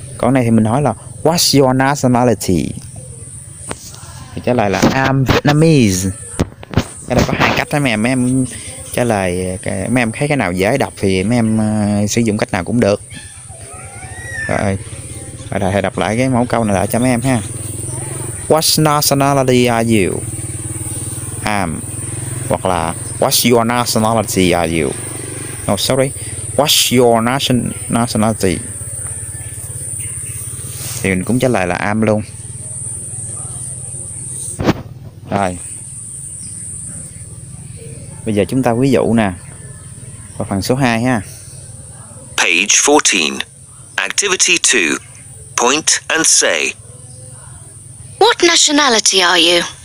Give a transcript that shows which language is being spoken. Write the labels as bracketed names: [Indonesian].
[Vietnamese] Còn này thì mình hỏi là [English] what's your nationality? [Vietnamese] Thì trả lời là [English] I'm Vietnamese. [Vietnamese] Cái này có hai cách đó mấy em. Mấy em trả lời, mấy em thấy cái nào dễ đọc thì mấy em sử dụng cách nào cũng được. Rồi thầy đọc lại cái mẫu câu này lại cho mấy em ha. [English] What nationality are you? I'm. [Vietnamese] Hoặc là [English] what's your nationality are you? No, sorry. What's your nationality? [Vietnamese] Thì mình cũng trả lời là am luôn. Rồi bây giờ chúng ta ví dụ nè, vào phần số 2 ha. [English] Page 14, activity 2, point and say. What nationality are you?